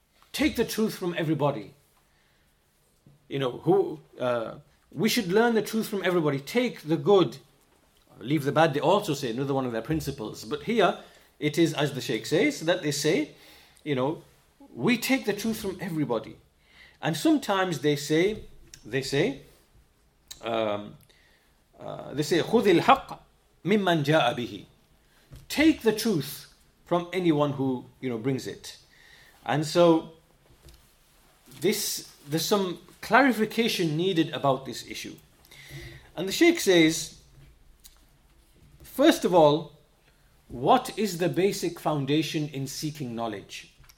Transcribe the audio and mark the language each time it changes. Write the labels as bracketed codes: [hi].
[en] Take the truth from everybody. You know, we should learn the truth from everybody. Take the good, leave the bad, they also say, another one of their principles. But here, it is, as the Sheikh says, that they say, you know, we take the truth from everybody. [ar] And sometimes they say, خُذِ الْحَقَّ مِمَّنْ جَاءَ بِهِ. [en] Take the truth from anyone who, you know, brings it. And so, there's some clarification needed about this issue. And the Sheikh says, first of all, what is the basic foundation in seeking knowledge?